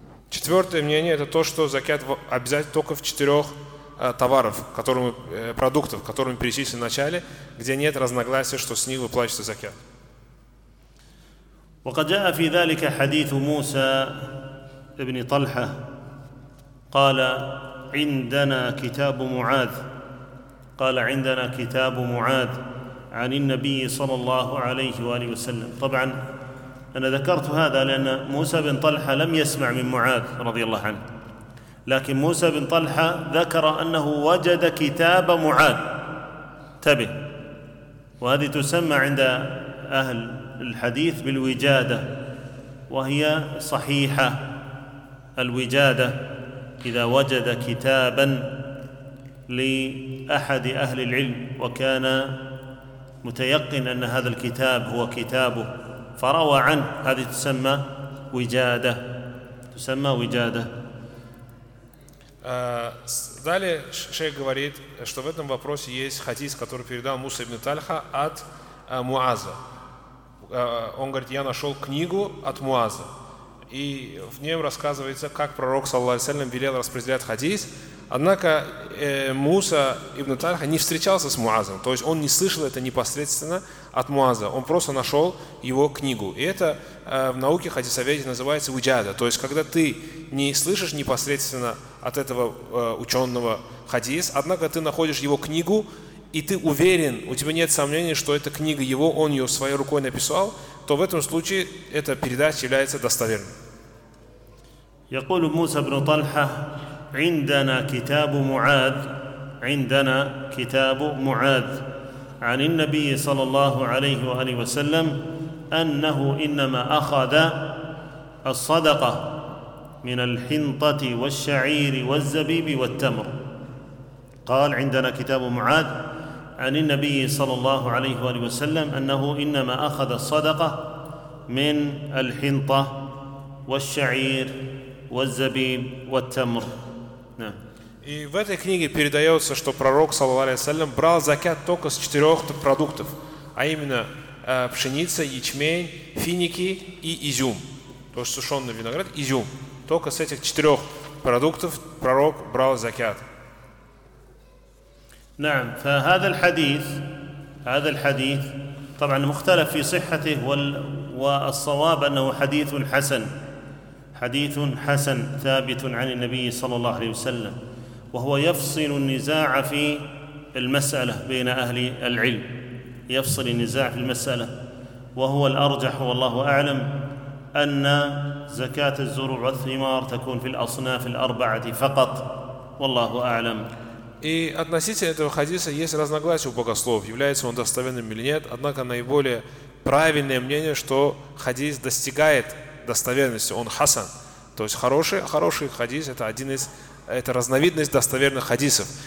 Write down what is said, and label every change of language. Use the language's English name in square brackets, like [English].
[Russian] Четвертое мнение – это то, что закят обязательно только в четырех товаров, которыми, продуктов, которыми перечислили в начале, где нет разногласия, что с них выплачивается закят. [Arabic] وقد جاء في ذلك حديث موسى ابن طلحة قال عندنا كتاب معاذ قال عندنا كتاب معاذ عن النبي صلى الله عليه وآله وسلم. طبعا أنا ذكرت هذا لأن موسى بن طلحة لم يسمع من معاذ رضي الله عنه لكن موسى بن طلحة ذكر أنه وجد كتاب معاذ تبه وهذه تسمى عند أهل الحديث بالوجادة وهي صحيحة الوجادة إذا وجد كتابا لأحد أهل العلم وكان متيقن أن هذا الكتاب هو كتابه فروى عنه هذه تسمى وجادة تسمى وجادة. [Russian] Далее шейх говорит, что в этом вопросе есть хадис, который передал Муса ибн Тальха от Муаза. Он говорит, я нашел книгу от Муаза. И в нем рассказывается, как пророк, саллаллаху алейхи ва саллям, велел распределять хадис. Однако Муса ибн Тальха не встречался с Муазом. То есть он не слышал это непосредственно от Муаза. Он просто нашел его книгу. И это в науке хадисоведения называется уджада. То есть когда ты не слышишь непосредственно от этого ученого хадис, однако ты находишь его книгу, и ты уверен, у тебя нет сомнений, что это книга его, он ее своей рукой написал, то в этом случае эта передача является достоверной. [Arabic] يقول موسى بن طلحة عندنا كتاب معاذ عندنا كتاب معاذ عن النبي صلى الله عليه وآله وسلم أنه إنما أخذ الصدقة من الحنطة والشعير والزبيب والتمر قال عندنا كتاب معاذ عن النبي صلى الله عليه وآله وسلم أنه إنما أخذ الصدقة من الحنطة والشعير والزبيب والتمر. [Russian] И в этой книге передается, что пророк, саллаллаху алейхи ва саллям, брал закят только с четырех продуктов, а именно пшеница, ячмень, финики и изюм. То есть сушеный виноград, изюм. Только с этих четырех продуктов пророк брал закят. [Arabic] نعم, فهذا الحديث, هذا الحديث, طبعا مختلف في صحته والصواب أنه حديث حسن, حديث حسن ثابت عن النبي صلى الله عليه وسلم وهو يفصل النزاع في المسألة بين أهل العلم, يفصل النزاع في المسألة وهو الأرجح والله أعلم أن زكاة الزروع والثمار تكون في الأصناف الأربعة فقط والله أعلم. [Russian] И относительно этого хадиса есть разногласия у богословов, является он достоверным или нет, однако наиболее правильное мнение, что хадис достигает достоверности, он хасан, то есть хороший хадис, это один из это разновидность достоверных хадисов.